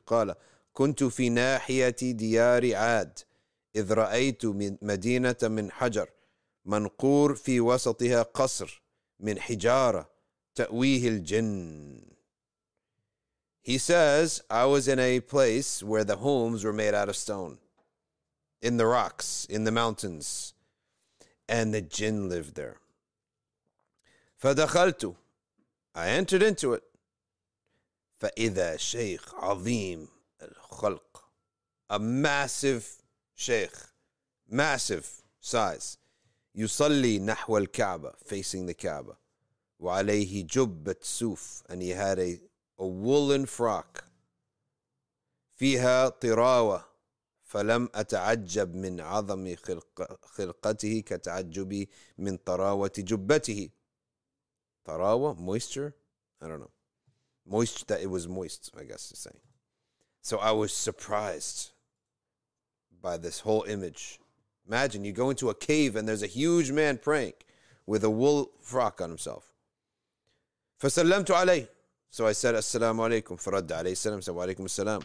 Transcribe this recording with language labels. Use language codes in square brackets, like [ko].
[ar] قَالَ كُنْتُ فِي نَاحِيَةِ دِيَارِ عَاد إذ رأيت مدينة من حجر منقور في وسطها قصر من حجارة تأويه الجن. [en] He says, I was in a place where the homes were made out of stone, in the rocks, in the mountains, and the jinn lived there. [ar] فدخلت, [en] I entered into it. [ar] فإذا شيخ عظيم الخلق, [en] a massive Sheikh, massive size. [ar] يصلي نحو الكعبة, [en] facing the Kaaba. [ar] وعليه جبة سوف, [en] and he had a woolen frock. [ar] فيها طراوة, فلم أتعجب من عظم خلقته كتعجبي من طراوة جبته. [en] طراوة, moisture? I don't know. Moisture, that it was moist, I guess he's saying. So I was surprised by this whole image. Imagine you go into a cave and there's a huge man praying with a wool frock on himself. [ar] فَسَلَّمْتُ عَلَيْهِ. [en] So I said, [ar] Assalamu alaikum. فَرَدَّ عَلَيْهِ سَلَامُ. So, وَعَلَيْكُمْ السَّلَامُ.